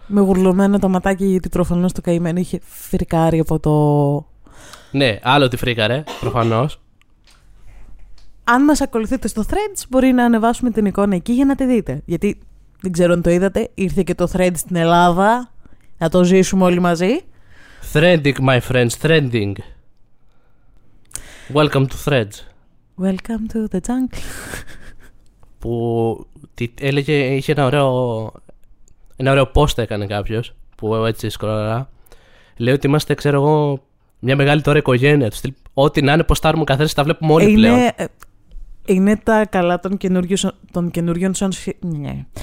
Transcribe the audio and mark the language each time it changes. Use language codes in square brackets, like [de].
[el] Με γουρλωμένα τα ματάκια, γιατί προφανώς το καημένο είχε φρικάρει από το. Ναι, άλλο τη φρίκαρε, προφανώς. Αν μας ακολουθείτε στο Threads, μπορεί να ανεβάσουμε την εικόνα εκεί για να τη δείτε. Γιατί. Δεν ξέρω αν το είδατε. Ήρθε και το thread στην Ελλάδα. Να το ζήσουμε όλοι μαζί. [en] Threading, my friends, threading. Welcome to threads. Welcome to the jungle. [el] Που έλεγε, είχε ένα ωραίο post έκανε κάποιος που έτσι σκρολαρά. Λέει ότι είμαστε, ξέρω εγώ, μια μεγάλη τώρα οικογένεια. Ό,τι να είναι, ποστάρουμε καθένα, τα βλέπουμε όλοι Είναι τα καλά των καινούριων social media.